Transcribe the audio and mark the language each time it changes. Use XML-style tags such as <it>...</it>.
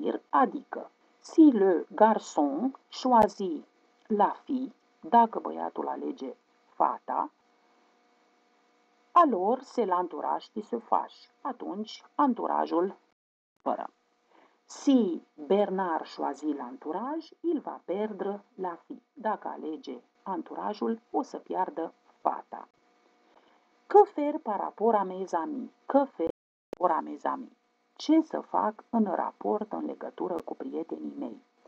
<ro>Adică,</ro> <fr>si le garçon choisit la fille,</fr> <ro>dacă băiatul alege fata,</ro> <fr>alors c'est l'entourage qui se fâche.</fr> <ro>Atunci, anturajul fără.</ro> <fr>Si Bernard choisit l'entourage, il va perdre la fille.</fr> <ro>Dacă alege anturajul, o să piardă fata.</ro> <fr>Que faire par rapport à mes amis?</fr> <ro>Ce să fac în raport, în legătură cu prietenii mei?</ro>